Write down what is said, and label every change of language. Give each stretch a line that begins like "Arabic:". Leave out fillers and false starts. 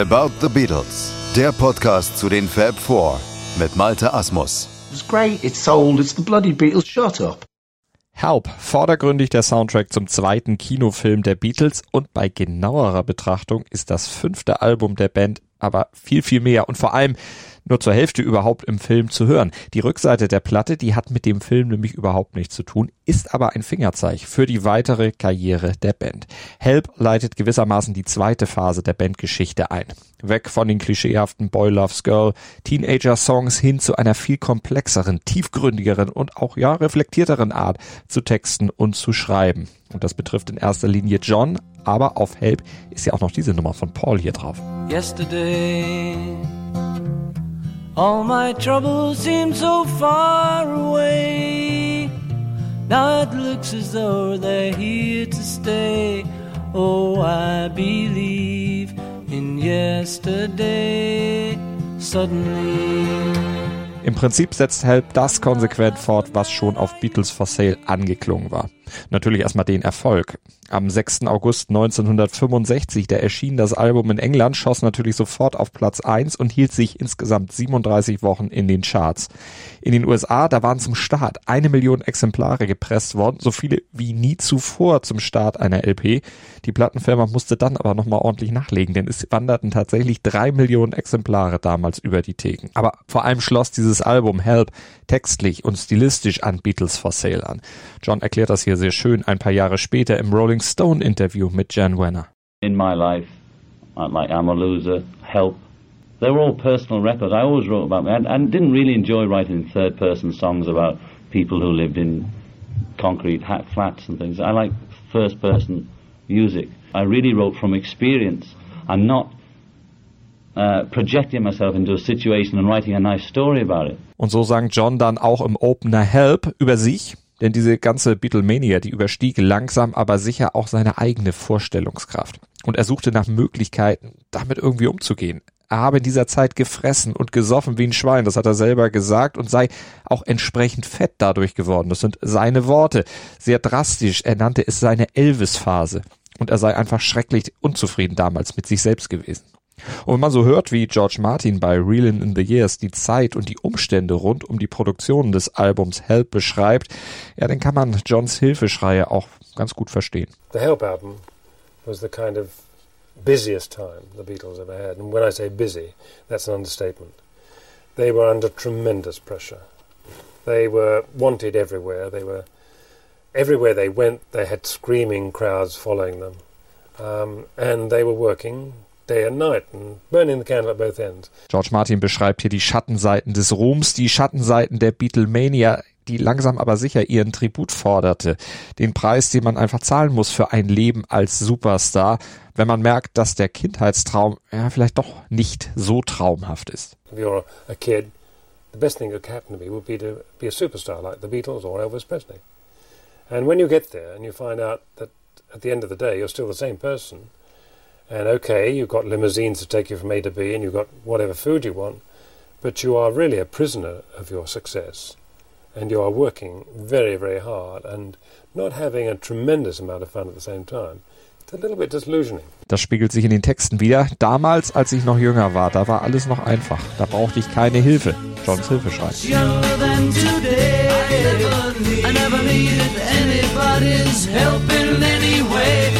German: About the Beatles, der Podcast zu den Fab Four mit Malte Asmus.
English: It's great, it's sold, it's the bloody Beatles, shut up.
German: Help, vordergründig der Soundtrack zum zweiten Kinofilm der Beatles und bei genauerer Betrachtung ist das fünfte Album der Band aber viel, viel mehr und vor allem nur zur Hälfte überhaupt im Film zu hören. Die Rückseite der Platte, die hat mit dem Film nämlich überhaupt nichts zu tun, ist aber ein Fingerzeig für die weitere Karriere der Band. Help leitet gewissermaßen die zweite Phase der Bandgeschichte ein. Weg von den klischeehaften Boy Loves Girl, Teenager-Songs hin zu einer viel komplexeren, tiefgründigeren und auch ja reflektierteren Art zu texten und zu schreiben. Und das betrifft in erster Linie John, aber auf Help ist ja auch noch diese Nummer von Paul hier drauf.
English: Yesterday all my troubles seem so far away. Now it looks as though they're here to stay. Oh, I believe in yesterday. Suddenly.
German: Im Prinzip setzt Help das konsequent fort, was schon auf Beatles for Sale angeklungen war. Natürlich erstmal den Erfolg. Am 6. August 1965, da erschien das Album in England, schoss natürlich sofort auf Platz 1 und hielt sich insgesamt 37 Wochen in den Charts. In den USA, da waren zum Start 1 Million Exemplare gepresst worden, so viele wie nie zuvor zum Start einer LP. Die Plattenfirma musste dann aber nochmal ordentlich nachlegen, denn es wanderten tatsächlich 3 Millionen Exemplare damals über die Theken. Aber vor allem schloss dieses Album Help textlich und stilistisch an Beatles for Sale an. John erklärt das hier sehr schön ein paar Jahre später im Rolling Stone Interview mit Jan Wenner.
English: In my life, like I'm a Loser, Help, they were all personal records. I always wrote about me and didn't really enjoy writing third person songs about people who lived in concrete hat flats and things. I like first person music. I really wrote from experience and not projecting myself into a situation and writing a nice story about it.
German: Und so sang John dann auch im Opener Help über sich. Denn diese ganze Beatlemania, die überstieg langsam aber sicher auch seine eigene Vorstellungskraft. Und er suchte nach Möglichkeiten, damit irgendwie umzugehen. Er habe in dieser Zeit gefressen und gesoffen wie ein Schwein, das hat er selber gesagt, und sei auch entsprechend fett dadurch geworden. Das sind seine Worte. Sehr drastisch, er nannte es seine Elvis-Phase. Und er sei einfach schrecklich unzufrieden damals mit sich selbst gewesen. Und wenn man so hört, wie George Martin bei Reelin' in the Years die Zeit und die Umstände rund um die Produktion des Albums Help beschreibt, ja, dann kann man Johns Hilfeschreie auch ganz gut verstehen.
English: The Help album was the kind of busiest time the Beatles ever had. And when I say busy, that's an understatement. They were under tremendous pressure. They were wanted everywhere. They were everywhere they went, they had screaming crowds following them. And they were working day and night and burning the candle at both ends.
German: George Martin beschreibt hier die Schattenseiten des Ruhms, die Schattenseiten der Beatlemania, die langsam aber sicher ihren Tribut forderte. Den Preis, den man einfach zahlen muss für ein Leben als Superstar, wenn man merkt, dass der Kindheitstraum ja vielleicht doch nicht so traumhaft ist.
English: If you're a kid, the best thing that could happen to me would be to be a superstar like the Beatles or Elvis Presley. And when you get there and you find out that at the end of the day you're still the same person. And okay, you've got limousines to take you from A to B and you've got whatever food you want, but you are really a prisoner of your success and you are working very, very hard and not having a tremendous amount of fun at the same time. It's a little bit disillusioning.
German: Das spiegelt sich in den Texten wieder. Damals, als ich noch jünger war, da war alles noch einfach. Da brauchte ich keine Hilfe. Johns Hilfeschrei.
English: Younger than today, I never needed anybody's help in any way.